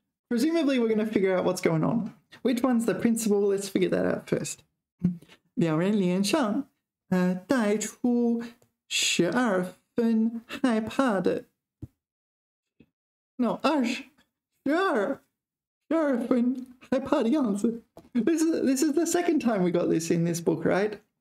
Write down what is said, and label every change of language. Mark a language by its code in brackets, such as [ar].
[en] Presumably we're going to figure out what's going on. Which one's the principal? Let's figure that out first. [zh] 两人脸上, 带出十二分害怕的, 十二分害怕的样子。 [en] This is the second time we got this in this book, right?